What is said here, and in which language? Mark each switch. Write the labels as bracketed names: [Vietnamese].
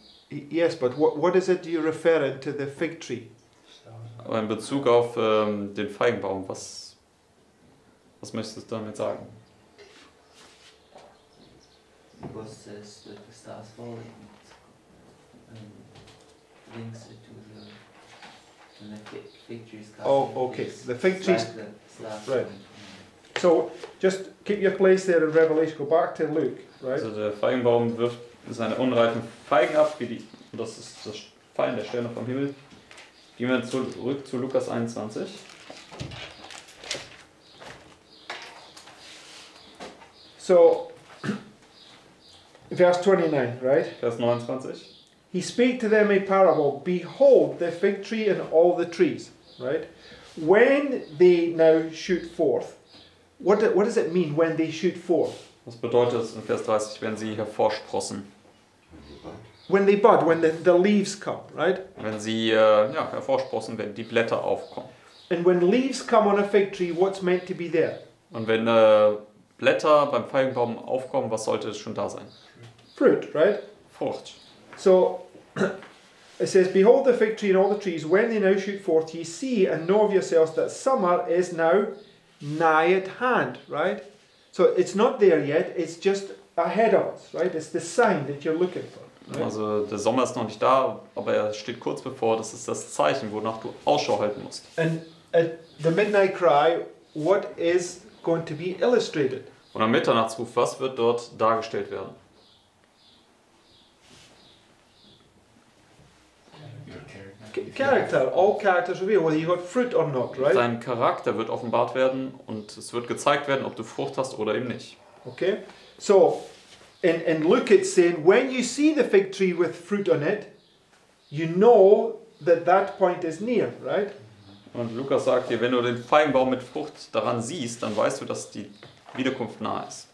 [English] Yes, but what is it you refer to the fig tree? [German] In Bezug auf den Feigenbaum, was möchtest du damit sagen? [English] Because there's the stars falling and links it to the fig tree's castle. Oh, okay. The fig tree's... Right. So, just keep your place there in Revelation. Go back to Luke, right? [German] So, der Feigenbaum wirft seine unreifen Feigen ab, wie die... Und das ist das Fallen der Sterne vom Himmel. Gehen wir zurück zu Lukas 21. So, Vers 29, right? Vers 29. [English] He speak to them a parable. Behold, the fig tree and all the trees, right? When they now shoot forth. What does it mean, when they shoot forth? [German] Was bedeutet es in Vers 30, wenn sie hervorsprossen? [English] When they bud, when the leaves come, right? [German] Wenn sie hervorsprossen, wenn die Blätter aufkommen. [English] And when leaves come on a fig tree, what's meant to be there? [German] Und wenn Blätter beim Feigenbaum aufkommen, was sollte es schon da sein? [English] Fruit, right? [German] Frucht. [English] So, it says, behold the fig tree and all the trees, when they now shoot forth, ye see and know of yourselves that summer is now nigh at hand, right? So, it's not there yet, it's just ahead of us, right? It's the sign that you're looking for. [German] Also der Sommer ist noch nicht da, aber er steht kurz bevor. Das ist das Zeichen, wonach du Ausschau halten musst. [English] And at the midnight cry, what is going to be illustrated? [German] Und am Mitternachtsruf, was wird dort dargestellt werden? [English] Character, all characters revealed, whether you got fruit or not, right? [German] Dein Charakter wird offenbart werden und es wird gezeigt werden, ob du Frucht hast oder eben nicht. [English] Okay, so. In Luke it's saying, when you see the fig tree with fruit on it, you know that that point is near, right? [German] Und Lukas sagt dir, wenn du den Feigenbaum mit Frucht daran siehst, dann weißt du, dass die Wiederkunft nah ist.